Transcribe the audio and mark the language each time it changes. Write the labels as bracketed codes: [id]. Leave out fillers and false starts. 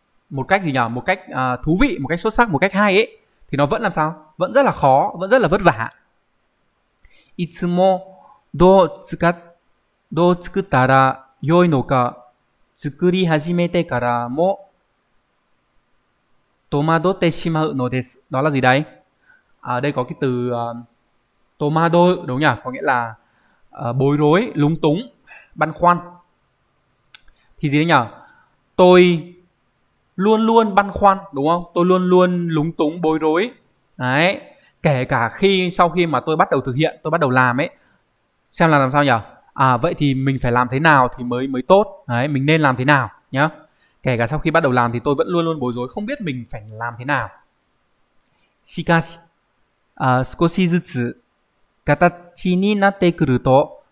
[vi] Một cách gì nhỉ? Một cách thú vị, một cách xuất sắc, một cách hay ấy, thì nó vẫn làm sao? Vẫn rất là khó, vẫn rất là vất vả. [ja] いつもどう作ったら良いのか、作り始めてからも戸惑ってしまうのです。 [vi] Đó là gì đấy? Đây có cái từ tomado đúng nhỉ? Có nghĩa là bối rối, lúng túng, băn khoăn. Thì gì đấy nhỉ? Tôi luôn luôn băn khoăn, đúng không? Tôi luôn luôn lúng túng, bối rối. Đấy, kể cả khi sau khi mà tôi bắt đầu thực hiện, tôi bắt đầu làm ấy, xem là làm sao nhỉ? Vậy thì mình phải làm thế nào thì mới mới tốt? Đấy, mình nên làm thế nào nhá? Kể cả sau khi bắt đầu làm thì tôi vẫn luôn luôn bối rối, không biết mình phải làm thế nào. [ja] しかし、少しずつ形になってくると、